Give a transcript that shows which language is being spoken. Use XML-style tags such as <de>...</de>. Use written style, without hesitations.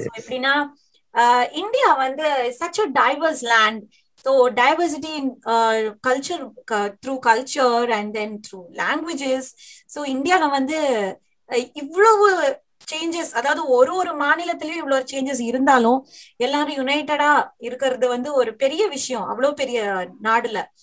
<en>So</en> <ta>எப்படின்னா India வந்து</ta> <en>such a diverse land. So diversity in culture, through culture and then through languages.</en> <ta>So இந்தியால வந்து இவ்வளவு changes, அதாவது ஒரு ஒரு மாநிலத்திலயும் இவ்வளவு changes இருந்தாலும் எல்லாரும் யுனைட்டடா இருக்கிறது வந்து ஒரு பெரிய விஷயம் அவ்வளவு பெரிய நாடுல.</ta>